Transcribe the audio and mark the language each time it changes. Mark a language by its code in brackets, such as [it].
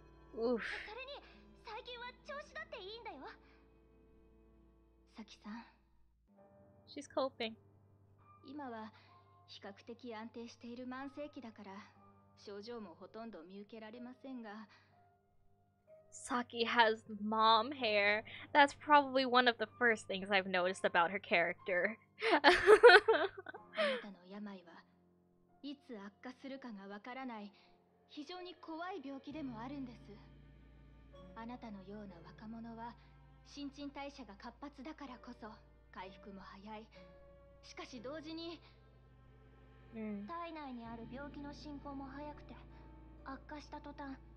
[ja] それに最近は調子だっていいんだよ。サキさん。 [en] She's coping. [ja] 今は比較的安定している慢性期だから、症状もほとんど見受けられませんが。 [en] Saki has mom hair. That's probably one of the first things I've noticed about her character. [ja] あなたの病は、いつ悪化するかがわからない非常に怖い病気でもあるんです。あなたのような若者は新陳代謝が活発だからこそ回復も早い。しかし同時に体内にある病気の進行も早くて悪化した途端。